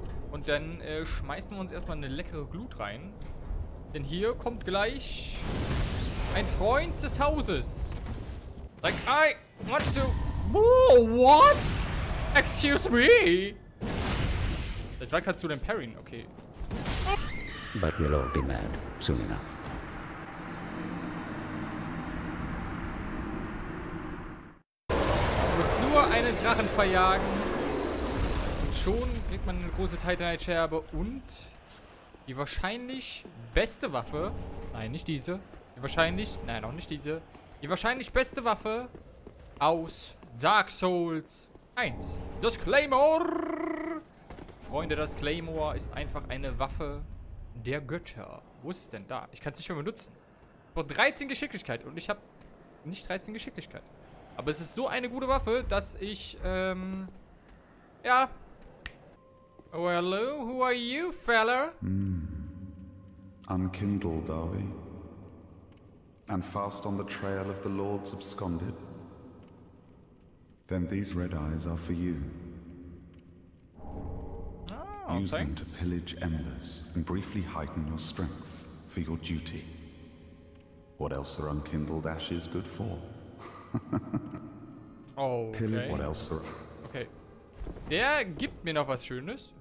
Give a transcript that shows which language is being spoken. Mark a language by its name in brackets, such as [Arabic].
[German] Und dann schmeißen wir uns erstmal eine leckere Glut rein. Denn hier kommt gleich ein Freund des Hauses. [English] Like, I want to... Whoa, what? Excuse me? [German] Vielleicht war kannst du denn parryen. [English] Okay. But we'll all be mad soon enough. [German] Du musst nur einen Drachen verjagen. Und schon kriegt man eine große Titanite-Scherbe und die wahrscheinlich beste Waffe. Nein, nicht diese. Die wahrscheinlich beste Waffe aus Dark Souls 1. Das Claymore! Freunde, das Claymore ist einfach eine Waffe. Der Götter. Wo ist es denn da? Ich kann es nicht mehr benutzen. Ich brauche 13 Geschicklichkeit und ich habe nicht 13 Geschicklichkeit. Aber es ist so eine gute Waffe, dass ich, ja. [English] Oh, hello, who are you, fella? Unkindled, are we? And fast on the trail of the Lord's absconded? Then these red eyes are for you. Oh. Use them to pillage embers and briefly heighten your strength for your duty. What else are unkindled ashes good for? Oh, okay. Pillage. What else are... Okay. [German] Der gibt mir noch was Schönes.